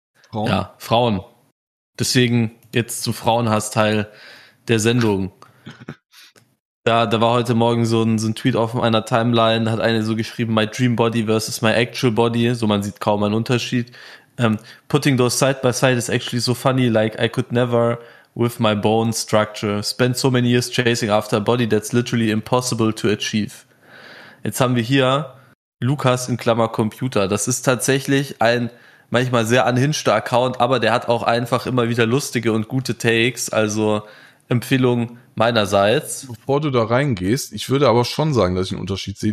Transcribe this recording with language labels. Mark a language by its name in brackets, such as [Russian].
[German] Frauen? Ja, Frauen. Deswegen jetzt zum Frauenhass Teil der Sendung. Da war heute Morgen so ein Tweet auf einer Timeline, da hat eine so geschrieben, [English] my dream body versus my actual body, [German] so man sieht kaum einen Unterschied. [English] Putting those side by side is actually so funny, like I could never with my bone structure. Spent so many years chasing after a body that's literally impossible to achieve. [German] Jetzt haben wir hier Lukas in Klammer Computer. Das ist tatsächlich ein manchmal sehr unhinged Account, aber der hat auch einfach immer wieder lustige und gute Takes, also Empfehlung meinerseits. Bevor du da reingehst, ich würde aber schon sagen, dass ich einen Unterschied sehe.